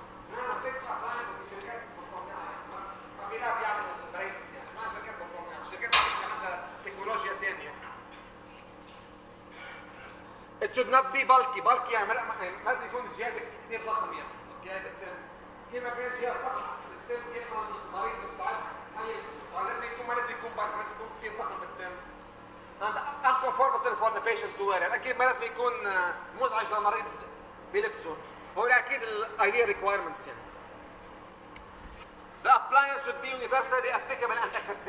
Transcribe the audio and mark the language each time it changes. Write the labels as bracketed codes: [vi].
[ar] شو معنى فيكس الابلاينس في شركات بتصنعها يعني ما في لا بيعملوا برايس يعني ما شركات بتصنعها، شركات عندها تكنولوجيا ثانية. [en] It should not be bulky. Bulky يعني [ar] ما لازم يكون الجهاز كثير ضخم يعني. اوكي كيف ما كان الجهاز ضخم بالتم كيف ما المريض مستعد ما يلبسه. لازم يكون ما لازم يكون بارك ما لازم يكون كثير ضخم بالتم. [en] And uncomfortable for the patient to wear. [ar] يعني اكيد ما لازم يكون مزعج للمريض بيلبسه. هو اكيد ال ideal requirements يعني. [en] The appliance should be universally applicable and accepted.